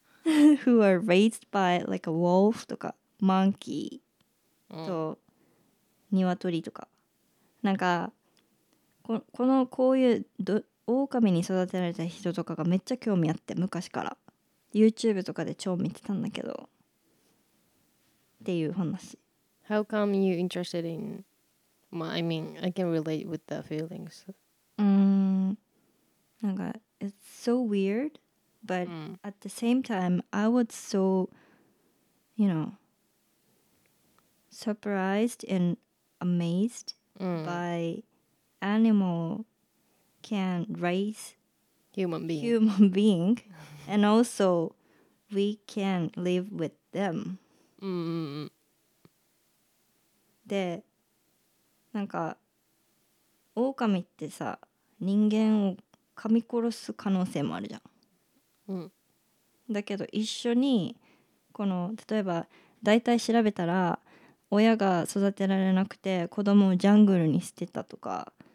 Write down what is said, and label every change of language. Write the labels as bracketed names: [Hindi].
[English] who are raised by like a wolf とか monkey [Japanese] と鶏とか。なんか、このこういう狼に育てられた人とかがめっちゃ興味あって、昔から。 YouTube とかで超見てたんだけど。っていう話。 [English] How come you interested in... Well, I mean, I can relate with the feelings. Like, it's so weird, but at the same time, I was so, you know, surprised and amazed by animal can raise human being. Human being, and also we can live with them. [Japanese] で、なんか、狼ってさ、人間を噛み殺す可能性もあるじゃん。だけど一緒にこの例えば大体調べたら親が育てられなくて子供をジャングルに捨てたとか